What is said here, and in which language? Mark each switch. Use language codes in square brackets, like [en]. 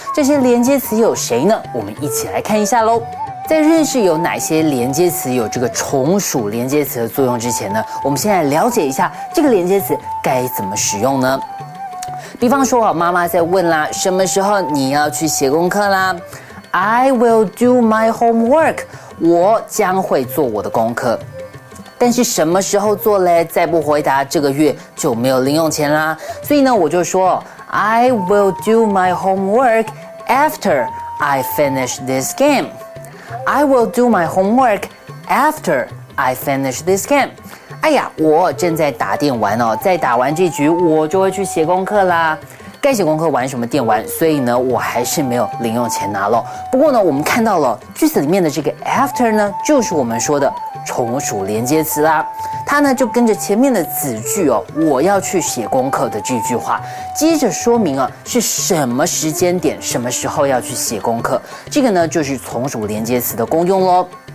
[zh] 这些连接词有谁呢？我们一起来看一下咯。在认识有哪些连接词有这个从属连接词的作用之前呢，我们先来了解一下这个连接词该怎么使用呢。比方说我妈妈在问啦，什么时候你要去写功课啦， [en] I will do my homework， [zh] 我将会做我的功课。但是什么时候做嘞？再不回答这个月就没有零用钱啦。所以呢我就说 [en] I will do my homework after I finish this gameI will do my homework after I finish this game. [zh] 哎呀，我正在打电玩哦，在打完这局我就会去写功课啦。该写功课玩什么电玩，所以呢我还是没有零用钱拿了。不过呢我们看到了句子里面的这个 after 呢就是我们说的从属连接词啦。它呢就跟着前面的子句哦，我要去写功课的这句话接着说明啊是什么时间点什么时候要去写功课。这个呢就是从属连接词的功用咯。